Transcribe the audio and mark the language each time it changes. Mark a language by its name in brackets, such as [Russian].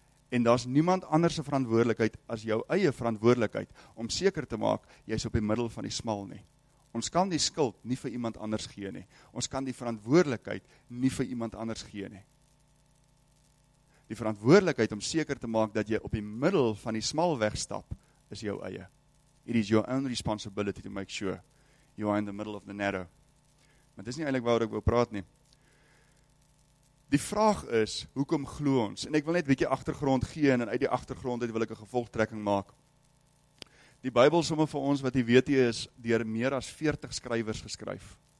[Afrikaans] En daar's niemand anders se verantwoordelikheid as jou eie verantwoordelikheid, om seker te maak, jy's op die middel van die smal nie. Ons kan die skuld nie vir iemand anders gee nie. Ons kan die verantwoordelikheid nie vir iemand anders gee nie. Die verantwoordelikheid om seker te maak dat jy op die middel van die smal weg stap, is jou eie. [English] It is your own responsibility to make sure you are in the middle of the narrow. [Afrikaans] Maar dis nie eintlik waaroor ek wou praat nie. Die vraag is, hoekom glo ons? En ek wil net 'n bietjie agtergrond gee, en uit die agtergrond uit wil ek 'n gevolgtrekking maak. Die Bybel somme vir ons wat jy weet jy is deur meer as 40 skrywers geskryf.